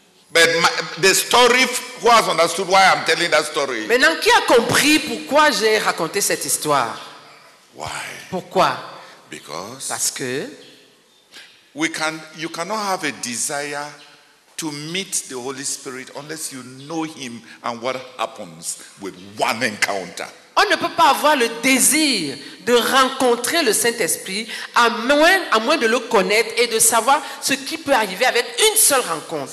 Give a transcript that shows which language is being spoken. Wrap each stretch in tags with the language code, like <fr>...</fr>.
<en>But the story, who has understood why I'm telling that story?</en> <fr>Maintenant, qui a compris pourquoi j'ai raconté cette histoire?</fr> <en>Why?</en> <fr>Pourquoi?</fr> <en>Because.</en> <fr>Parce que.</fr> <en>You cannot have a desire to meet the Holy Spirit unless you know Him and what happens with one encounter.</en> <fr>On ne peut pas avoir le désir de rencontrer le Saint-Esprit à moins de le connaître et de savoir ce qui peut arriver avec une seule rencontre.</fr>